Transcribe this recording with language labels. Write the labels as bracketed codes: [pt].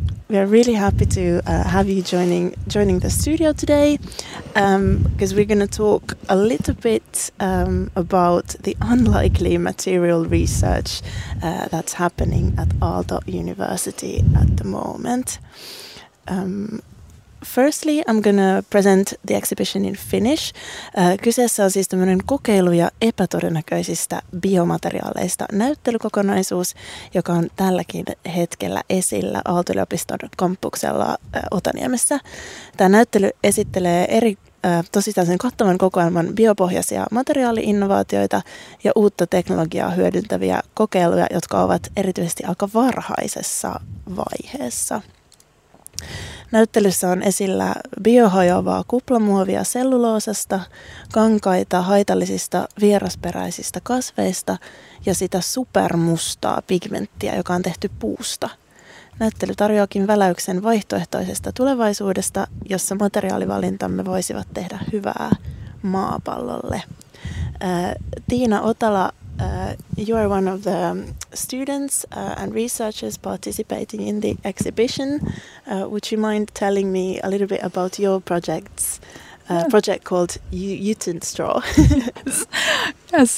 [en] We are really happy to have you joining the studio today, because we're going to talk a little bit about the unlikely material research that's happening at Aalto University at the moment. Firstly, I'm going to present the exhibition in Finnish. [fi] Kyseessä on siis tämmöinen kokeilu- ja epätodennäköisistä biomateriaaleista näyttelykokonaisuus, joka on tälläkin hetkellä esillä Aalto-yliopiston kampuksella Otaniemessä. Tämä näyttely esittelee eri tosiaan kattavan kokoelman biopohjaisia materiaali-innovaatioita ja uutta teknologiaa hyödyntäviä kokeiluja, jotka ovat erityisesti aika varhaisessa vaiheessa. Näyttelyssä on esillä biohajoavaa kuplamuovia selluloosasta, kankaita haitallisista vierasperäisistä kasveista ja sitä supermustaa pigmenttiä, joka on tehty puusta. Näyttely tarjoakin väläyksen vaihtoehtoisesta tulevaisuudesta, jossa materiaalivalintamme voisivat tehdä hyvää maapallolle. [en] Tiina Otala, you are one of the students and researchers participating in the exhibition. Would you mind telling me a little bit about your projects? Project called Jutenstraw. Yes.